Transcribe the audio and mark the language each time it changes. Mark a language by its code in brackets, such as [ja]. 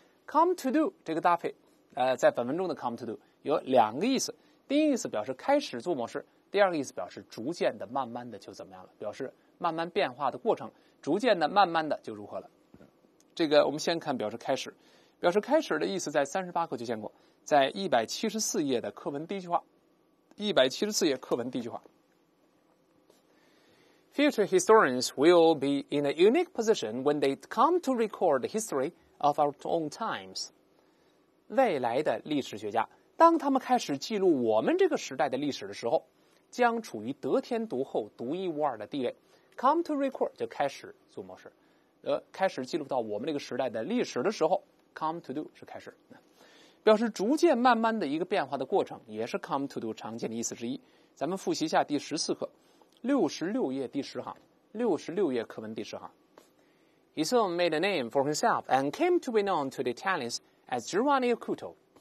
[zh] come to do 这个搭配在本文中的 come to do 有两个意思，第一个意思表示开始做某事，第二个意思表示逐渐的、慢慢的就怎么样了，表示慢慢变化的过程，逐渐的、慢慢的就如何了。这个我们先看表示开始，表示开始的意思在38课就见过，在174页的课文第一句话，174页课文第一句话。 [en] Future historians will be in a unique position when they come to record the history of our own times. [zh] 未来的历史学家，当他们开始记录我们这个时代的历史的时候，将处于得天独厚、独一无二的地位。 come to record 就开始做某事，开始记录到我们那个时代的历史的时候， come to do 是开始，表示逐渐慢慢的一个变化的过程，也是 come to do 常见的意思之一。咱们复习一下第14课66页第10行，66页课文第10行。 [en] He soon made a name for himself and came to be known to the Italians as Giovanni Acuto.